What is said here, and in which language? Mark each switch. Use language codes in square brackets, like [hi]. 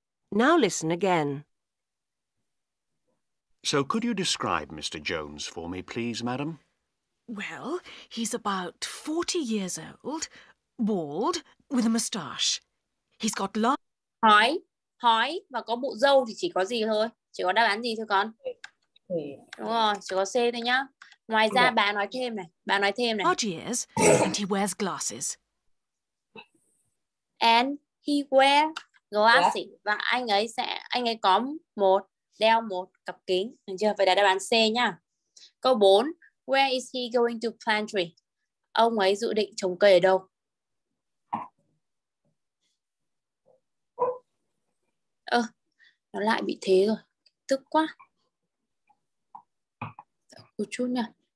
[en] Now listen again. So could you describe Mr. Jones for me, please, madam? Well, he's about 40 years old, bald, with a moustache. He's got long. [vi] Hói, hói và có bộ râu thì chỉ có gì thôi, chỉ có đáp án gì thôi con. Đúng rồi, chỉ có C thôi nhá. Ngoài ra bà nói thêm này, bà nói thêm này. [en] Large ears and he wears glasses. And he wears glasses. Yeah. [vi] Và anh ấy có một đeo một cặp kính, được chưa? Vậy là đáp án C nhá. Câu 4, [en] where is he going to plant tree? [vi] Ông ấy dự định trồng cây ở đâu? Nó lại bị thế rồi. Tức quá. Một chút nha.